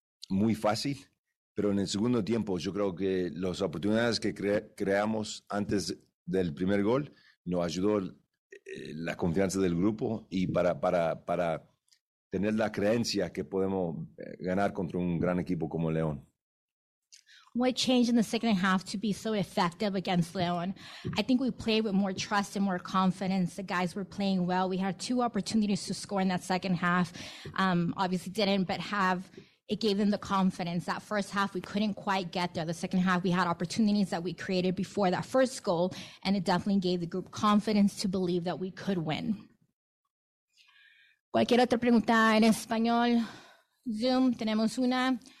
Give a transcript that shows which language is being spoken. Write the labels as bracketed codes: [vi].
[es] muy fácil, pero en el segundo tiempo yo creo que las oportunidades que creamos antes del primer gol nos ayudó la confianza del grupo y para tener la creencia que podemos ganar contra un gran equipo como León. [en] What changed in the second half to be so effective against León? I think we played with more trust and more confidence. The guys were playing well. We had two opportunities to score in that second half. Obviously didn't, but it gave them the confidence. That first half, we couldn't quite get there. The second half, we had opportunities that we created before that first goal, and it definitely gave the group confidence to believe that we could win. [es] Cualquier otra pregunta en español. Zoom, tenemos una.